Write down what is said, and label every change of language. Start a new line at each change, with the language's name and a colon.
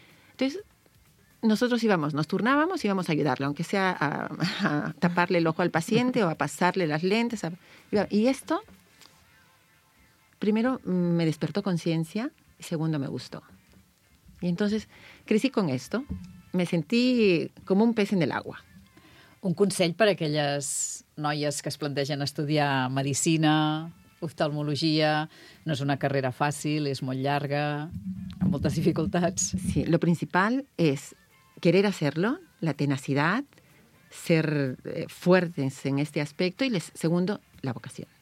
Spanish: Entonces, nosotros nos turnábamos, íbamos a ayudarle, aunque sea a taparle el ojo al paciente o a pasarle las lentes. Y esto, primero, me despertó conciencia y segundo, me gustó. Y entonces, crecí con esto. Me sentí como un pez en el agua.
Catalan: Un consell per a aquelles noies que es plantegen estudiar medicina, oftalmologia, no és una carrera fàcil, és molt llarga, amb moltes dificultats.
Spanish: Sí, lo principal es querer hacerlo, la tenacidad, ser fuertes en este aspecto y, segundo, la vocación.